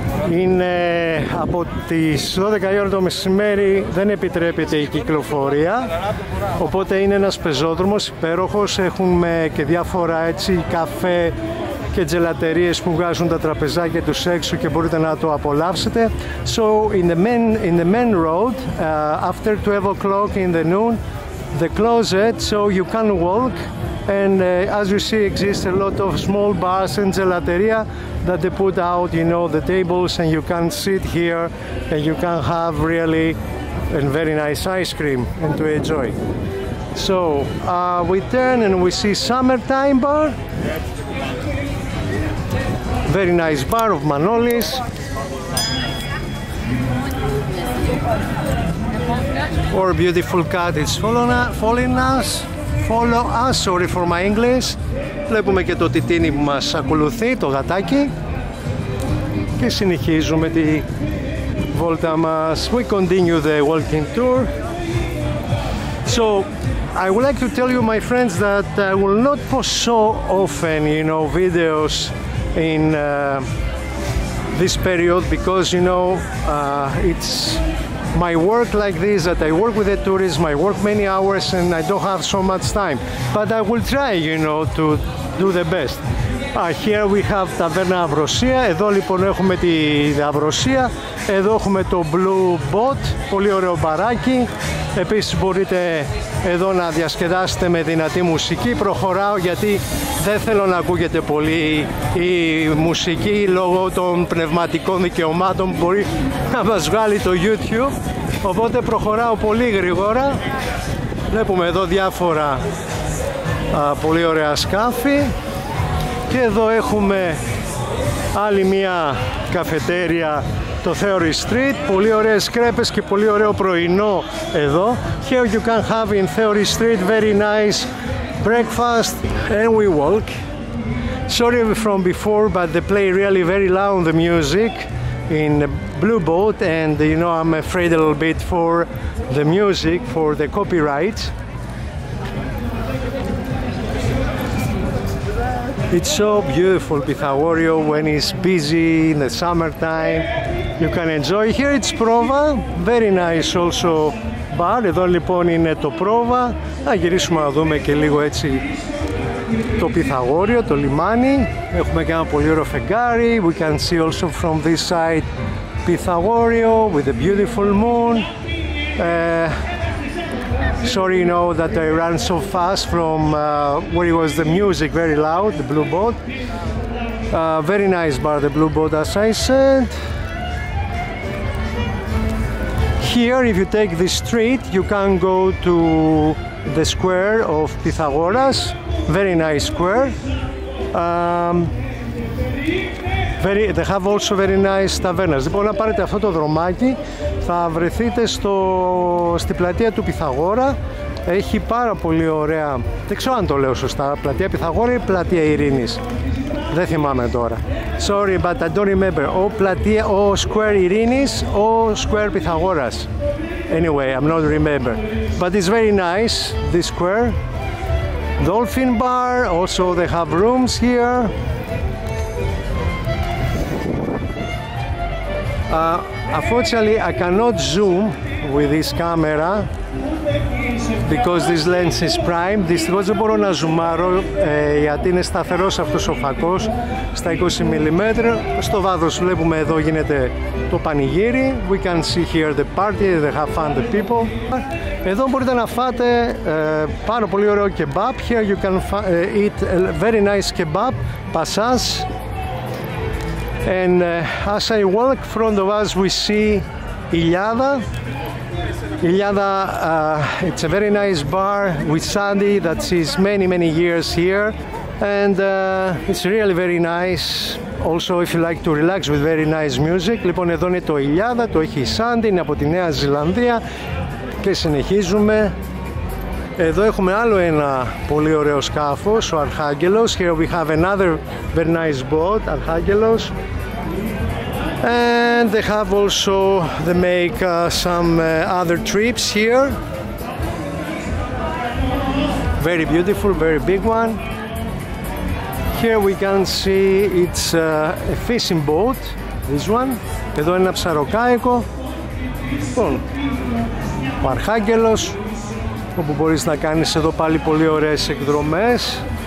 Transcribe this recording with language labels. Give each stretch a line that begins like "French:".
Greek: Είναι από τις 12 η ώρα το μεσημέρι, δεν επιτρέπεται η κυκλοφορία, οπότε είναι ένας πεζόδρομος υπέροχος, έχουμε και διάφορα έτσι καφέ και τζελατερίες που βγάζουν τα τραπεζάκια τους έξω και μπορείτε να το απολαύσετε.
English: So in the main road, after 12 o'clock in the noon, the closet, so you can walk. And as you see, exists a lot of small bars and gelateria that they put out, you know, the tables, and you can sit here and you can have really a very nice ice cream and to enjoy. So we turn and we see Summertime Bar. Very nice bar of Manolis. Our beautiful cat is following us. Follow us, sorry for my English.
Greek: Βλέπουμε και το τιτίνι που μας ακολουθεί, το γατάκι. Και συνεχίζουμε τη βόλτα μας.
English: We continue the walking tour. So, I would like to tell you, my friends, that I will not post so often, you know, videos in this period, because, you know, it's my work like this, that I work with the tourism, I work many hours and I don't have so much time. But I will try, you know, to do the best. Here we have Taverna Avrosia.
Greek: Εδώ λοιπόν έχουμε τη Avrosia. Εδώ έχουμε το Blue Boat, πολύ ωραίο μπαράκι. Επίσης μπορείτε εδώ να διασκεδάσετε με δυνατή μουσική. Προχωράω γιατί δεν θέλω να ακούγεται πολύ η μουσική λόγω των πνευματικών δικαιωμάτων που μπορεί να μας βγάλει το YouTube. Οπότε προχωράω πολύ γρήγορα. Βλέπουμε εδώ διάφορα πολύ ωραία σκάφη. Και εδώ έχουμε άλλη μία καφετέρια. Το Theory Street, πολύ ωραίες κρέπες και πολύ ωραίο πρωινό εδώ.
English: Here you can have in Theory Street very nice breakfast and we walk. Sorry from before, but they play really very loud the music in the Blue Boat and you know I'm afraid a little bit for the music, for the copyright. It's so beautiful, Pythagorio, when it's busy in the summertime. You can enjoy. Here it's Prova, very nice also bar.
Greek: Εδώ λοιπόν είναι το Prova. Θα γυρίσουμε να δούμε και λίγο έτσι το Πυθαγόριο, το λιμάνι. Έχουμε και ένα πολύ ωραίο φεγγάρι.
English: We can see also from this side Pythagorio with a beautiful moon. Sorry, you know, that I ran so fast from where it was the music very loud, the Blue Boat. Very nice bar, the Blue Boat, as I said. Here, if you take this street, you can go to the square of Pythagoras. Very nice square. They have also very nice tavernas.
Greek: Λοιπόν, αν πάρετε αυτό το δρομάκι, θα βρεθείτε στη πλατεία του Πυθαγόρα. Έχει πάρα πολύ ωραία, δεν ξέρω αν το λέω σωστά, πλατεία Πυθαγόρα ή πλατεία Ειρήνης. Δεν θυμάμαι τώρα.
English: Sorry, but I don't remember.
Greek: Ο square Ειρήνης, ο square Πυθαγόρας.
English: Anyway, I'm not remember. But it's very nice, this square. Dolphin bar, also they have rooms here. Unfortunately, I cannot zoom with this camera because this lens is prime.
Greek: Δυστυχώς δεν μπορώ να ζουμάρω γιατί είναι σταθερός αυτός ο φακός στα 20 mm. Στο βάθος βλέπουμε εδώ γίνεται το πανηγύρι.
English: We can see here the party, they have fun, the people.
Greek: Εδώ μπορείτε να φάτε πάρα πολύ ωραίο kebab.
English: Here you can eat a very nice kebab, passas. And as I walk in front of us, we see Iliada. Iliada, it's a very nice bar with Sandy that is many, many years here. And it's really very nice. Also, if you like to relax with very nice music.
Greek: Λοιπόν, εδώ είναι το Iliada, το έχει η Sandy, είναι από τη Νέα Ζηλανδία. Και συνεχίζουμε. Εδώ έχουμε άλλο ένα πολύ ωραίο σκάφος, ο Αρχάγγελος.
English: Here we have another very nice boat, Αρχάγγελος. And they have also, they make some other trips here. Very beautiful, very big one. Here we can see it's a fishing boat, this one.
Greek: Εδώ είναι ένα ψαροκάικο. Λοιπόν, ο Αρχάγγελος, όπου μπορείς να κάνεις εδώ πάλι πολύ ωραίες εκδρομές.